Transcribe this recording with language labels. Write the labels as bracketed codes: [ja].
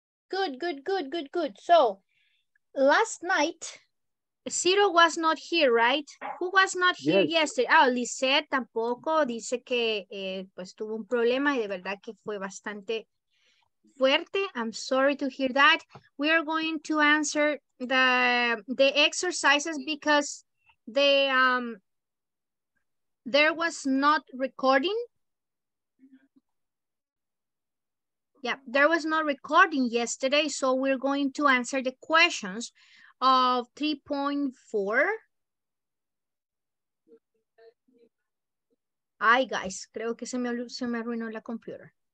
[en] Good, good, good, good, good. So, last night, Ciro was not here, right? Who was not here yesterday? Oh, Lisette [es] tampoco. Dice que pues tuvo un problema y de verdad que fue bastante fuerte. [en] I'm sorry to hear that. We are going to answer the exercises because there was not recording. Yeah, there was no recording yesterday, so we're going to answer the questions of 3.4. [es] Ay, guys, creo que se me arruinó la computer.